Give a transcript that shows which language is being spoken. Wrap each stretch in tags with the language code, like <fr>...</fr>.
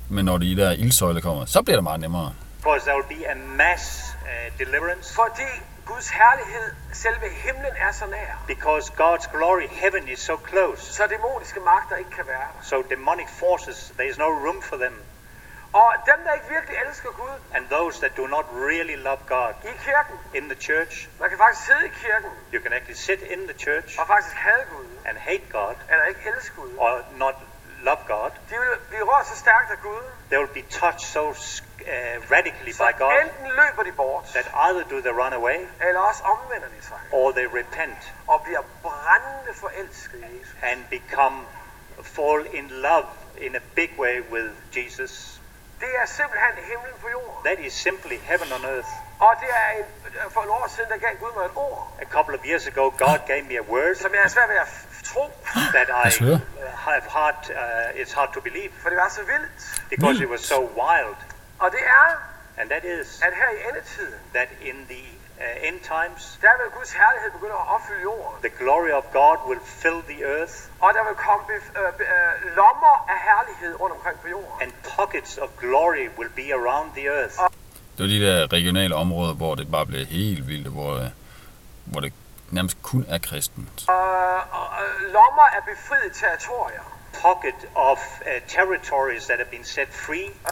<da>Men når de der ildsøjler kommer, så bliver det meget nemmere.</da> <en>Because there will be a mass deliverance.</en> <da>Fordi Guds herlighed, selve himlen, er så nær.</da> <en>Because God's glory, heaven is so close.</en> <da>Så demoniske magter ikke kan være.</da> <en>So demonic forces, there is no room for them.</en> <da>Og dem, der ikke virkelig elsker Gud.</da> <en>And those that do not really love God.</en> <da>I kirken.</da> <en>In the church.</en> <da>Man kan faktisk sidde i kirken.</da> <en>You can actually sit in the church.</en> <da>Og faktisk hade Gud.</da> <en>And hate God.</en> <da>Eller ikke elske Gud.</da> <en>Or not love God.</en> <da>De vil blive rørt så stærkt af Gud.</da> <en>They will be touched so radically</en> <da>så</da> <en>by God.</en> <da>Så enten løber de bort.</da> <en>That either do they run away.</en> <da>Eller også omvender de sig.</da> <en>Or they repent.</en> <da>Og bliver brændende forelsket i Jesus.</da> <en>And become, fall in love in a big way with Jesus.</en> <da>Det er simpelthen himlen på jorden.</da> <en>That is simply heaven on earth.</en> <da>Og det er for et år siden, der gav Gud mig et ord.</da> <en>A couple of years ago, God gave me a word.</en> <da>Som jeg har svært ved at tro.</da> <en>That I have hard, it's hard to believe.</en> <da>For det var så vildt.</da> <en>Because it was so wild.</en> <da>Og det er.</da> <en>And that is.</en> <da>At her i endetiden.</da> <en>That in the end times.</en> <da>Der vil Guds herlighed begynde at opfylde jorden.</da> <en>The glory of God will fill the earth.</en> <da>Og der vil komme lommer af herlighed rundt omkring på jorden.</da> <en>And pockets of glory will be around the earth.</en> <da>Det er de der regionale områder, hvor det bare bliver helt vildt, hvor det nærmest kun er kristent. Lommer af befriede territorier.</da> <en>Pocket of territories that have been set free.</en>